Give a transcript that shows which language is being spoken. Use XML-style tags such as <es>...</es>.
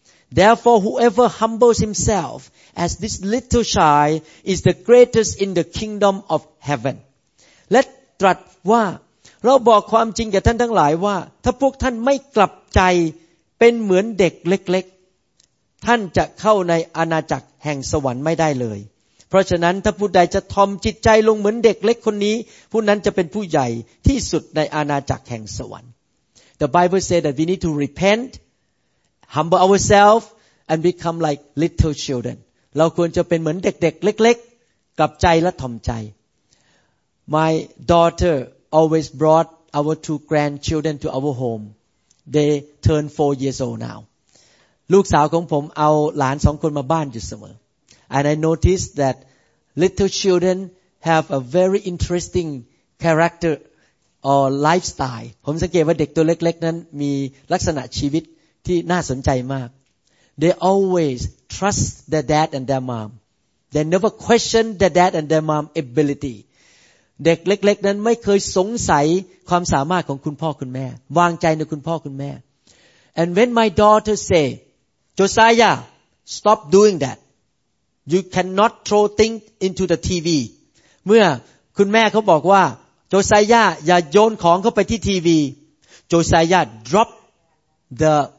<en>Therefore whoever humbles himself as this little child is the greatest in the kingdom of heaven.</en> <th>Let ตรัสว่าเราบอกความจริงแก่ท่านทั้งหลายว่าถ้าพวกท่านไม่กลับใจเป็นเหมือนเด็กเล็ก ๆท่านจะเข้าในอาณาจักรแห่งสวรรค์ไม่ได้เลยเพราะฉะนั้นถ้าผู้ใดจะทอมจิตใจลงเหมือนเด็กเล็กคนนี้ผู้นั้นจะเป็นผู้ใหญ่ที่สุดในอาณาจักรแห่งสวรรค์</th> <en>The Bible says that we need to repent humble ourselves and become like little children</en> <th>เราควรจะเป็นเหมือนเด็กๆเล็กๆกลับใจและทอมใจ</th> <en>My daughteralways brought our two grandchildren to our home. They turn 4 years old now.</en> <th>ลูกสาวของผมเอาหลาน 2 คนมาบ้านอยู่เสมอ</th> <en>And I noticed that little children have a very interesting character or lifestyle.</en> <th>ผมสังเกตว่าเด็กตัวเล็กๆนั้นมีลักษณะชีวิตที่น่าสนใจมาก</th> <en>They always trust their dad and their mom. They never question their dad and their mom's ability.</en> <th>เด็กเล็กๆนั้นไม่เคยสงสัยความสามารถของคุณพ่อคุณแม่วางใจในคุณพ่อคุณแม่</th> <en>And when my daughter say Josiah stop doing that you cannot throw things into the TV</en> <th>เมื่อคุณแม่เขาบอกว่า Josiah อย่าโยนของเข้าไปที่ทีวี</th> <en>Josiah drop the</en>